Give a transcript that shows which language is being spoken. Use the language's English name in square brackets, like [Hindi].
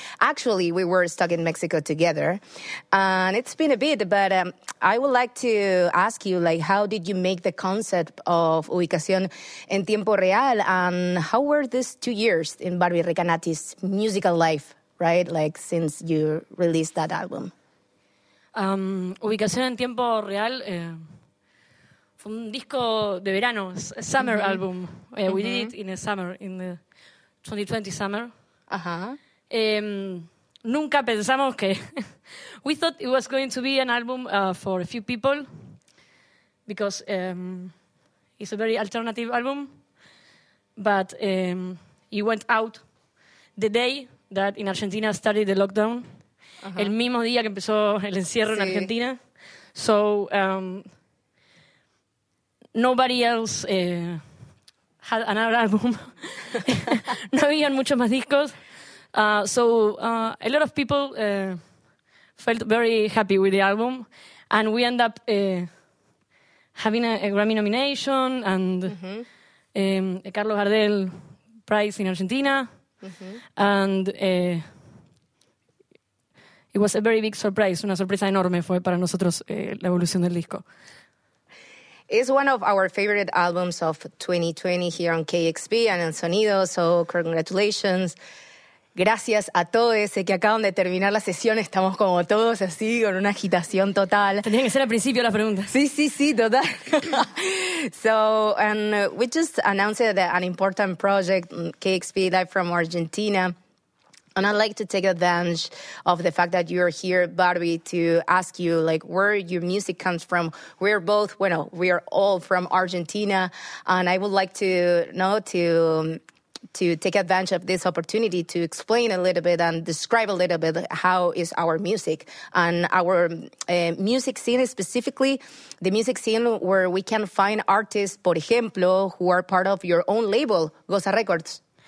[English] Actually, we were stuck in Mexico together. And it's been a bit, but I would like to ask you, like, how did you make the concept of Ubicación en Tiempo Real? And how were these 2 years in Barbie Recanati's musical life, right? Like, since you released that album? [Spanish] Ubicación en Tiempo Real fue un disco de verano, [English] summer [Spanish] mm-hmm. [English] album. Mm-hmm. We did it in the summer, in the 2020 summer. Uh-huh. [Spanish] Nunca pensamos que... [English] We thought it was going to be an album for a few people because it's a very alternative album. But it went out the day that in Argentina started the lockdown. [Spanish] Uh-huh. El mismo día que empezó el encierro sí. en Argentina. [English] So, nobody else had another album. [Spanish] No habían muchos más discos. [English] A lot of people felt very happy with the album. And we end up having a Grammy nomination and uh-huh. A Carlos Gardel Prize in Argentina. Uh-huh. And... It was a very big surprise, [Spanish] una sorpresa enorme fue para nosotros la evolución del disco. [English] It's one of our favorite albums of 2020 here on KXP and en Sonido, so congratulations. [Spanish] Gracias a todos, sé que acaban de terminar la sesión, estamos como todos así, con una agitación total. Tenía que ser al principio las preguntas. Sí, sí, sí, total. [English] So, and we just announced that an important project, KXP Live from Argentina, and I'd like to take advantage of the fact that you're here, Barbie, to ask you, like, where your music comes from. We're both, bueno, we are all from Argentina, and I would like to know to take advantage of this opportunity to explain a little bit and describe a little bit how is our music and our music scene, specifically the music scene where we can find artists, [Spanish] por ejemplo, [English] who are part of your own label, Goza Records.